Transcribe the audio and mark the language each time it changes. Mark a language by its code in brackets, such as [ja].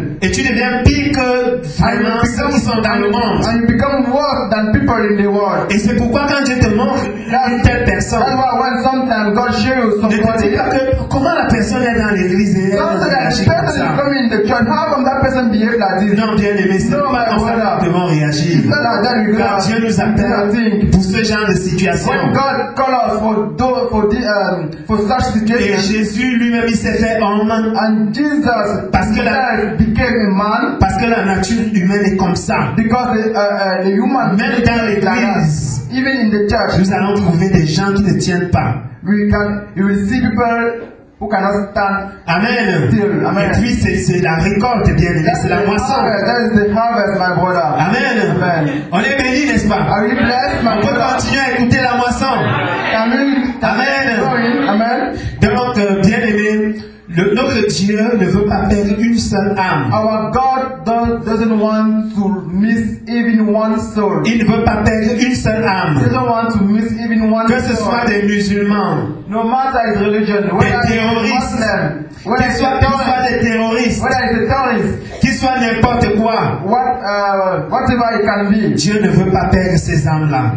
[fr] Et tu deviens pire que vraiment ceux qui sont dans le monde. [en] And you become worse than people in the world. [fr] Et c'est pourquoi quand Dieu te montre une telle personne, [en] that's why when sometimes God shows you somebody, [fr] ne te dis pas que comment la personne est dans l'église et elle [en] how come that person behave like this? [fr] Non, bien aimé, c'est pas comme ça que nous devons réagir. Quand Dieu nous appelle pour ce genre de situation, [en] when God calls us for such situation, [fr] et Jésus lui-même s'est fait homme, [en] and Jesus [fr] parce que [en] became a man, [fr] parce que la nature humaine est comme ça. [en] Because the human [fr] même dans l'église, [en] even in the church, [fr] nous allons trouver des gens qui ne tiennent pas. [en] You will see people who cannot stand. Amen. Still. Amen. [fr] Et puis c'est la récolte, bien aimé, c'est la moisson. [en] That is the harvest, my brother. Amen. Amen. [fr] On est béni, n'est-ce pas? [en] Are you blessed, my brother? [fr] On peut continuer à écouter la moisson. [en] Amen. Amen. Amen. Amen. [fr] Donc, bien aimé, notre Dieu ne veut pas perdre une seule âme. [en] Our God doesn't want to miss even one soul. [fr] Il ne veut pas perdre une seule âme. [en] He doesn't want to miss even one soul. [fr] Que ce soit des musulmans, [en] no matter his religion, [fr] des terroristes, qu'ils soient des terroristes, [en] whether it's a terrorist, [fr] qu'ils soient n'importe quoi, [en] whatever it can be. [fr] Dieu ne veut pas perdre ces âmes-là.